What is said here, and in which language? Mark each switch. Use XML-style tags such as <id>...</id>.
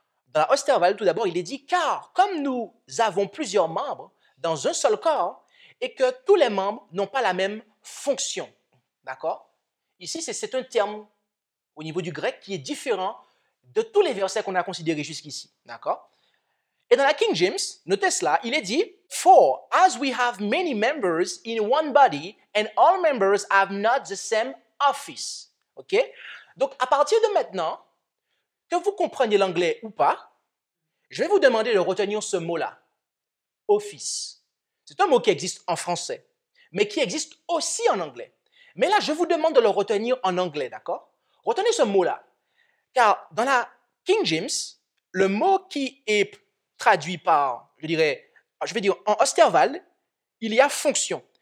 <fr>Dans la Osterwald, tout d'abord, il est dit, « Car comme nous avons plusieurs membres dans un seul corps et que tous les membres n'ont pas la même fonction. » D'accord? Ici, c'est un terme au niveau du grec, qui est différent de tous les versets qu'on a considérés jusqu'ici, d'accord? Et dans la King James, notez cela, il est dit,</fr> <en>« For as we have many members in one body, and all members have not the same office. » OK?</en> <fr>Donc, à partir de maintenant, que vous compreniez l'anglais ou pas, je vais vous demander de retenir ce mot-là, « office ». C'est un mot qui existe en français, mais qui existe aussi en anglais. Mais là, je vous demande de le retenir en anglais, d'accord? Retenez ce mot-là, car dans la King James, le mot qui est traduit par, je vais dire, en Osterwald, il y a fonction.</fr>